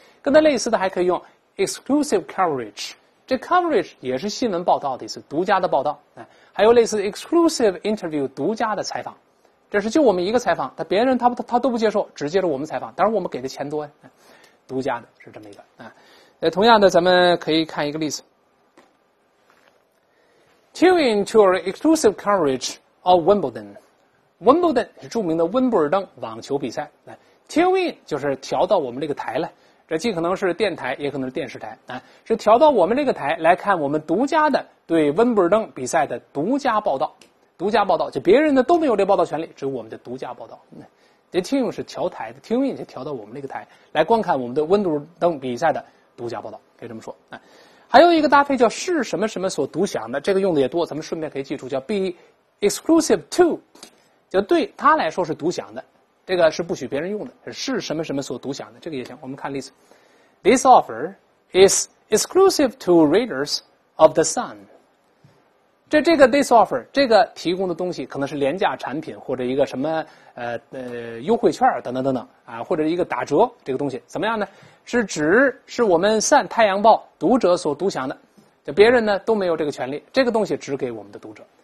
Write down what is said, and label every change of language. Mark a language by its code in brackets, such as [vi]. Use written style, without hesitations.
[zh] 跟他类似的还可以用 [en] exclusive coverage， [zh] 这 coverage 也是新闻报道的意思，独家的报道。还有类似 [en] exclusive interview， [zh] 独家的采访。这是就我们一个采访，别人他都不接受，只接受我们采访，当然我们给的钱多呀，独家的是这么一个。同样的，咱们可以看一个例子。 [en] Tune in to our exclusive coverage of Wimbledon. [zh] Wimbledon 是著名的温布尔登网球比赛。 Tune in 就是调到我们这个台来，这既可能是电台也可能是电视台，是调到我们这个台来看我们独家的对温布尔登比赛的独家报道。独家报道，就别人呢都没有这报道权利，只有我们的独家报道。这听用是调台的，听用是调到我们这个台来观看我们的温布尔登比赛的独家报道，可以这么说。还有一个搭配叫是什么什么所独享的，这个用的也多，咱们顺便可以记住，叫 [en] be exclusive to， [zh] 就对他来说是独享的，这个是不许别人用的，是什么什么所独享的，这个也行。我们看例子。 [en] This offer is exclusive to readers of the Sun。 [zh] 这个 [en] this offer， [zh] 这个提供的东西可能是廉价产品或者一个什么优惠券等等等等啊，或者一个打折，这个东西怎么样呢？是我们Sun太阳报读者所独享的，就别人呢都没有这个权利，这个东西只给我们的读者。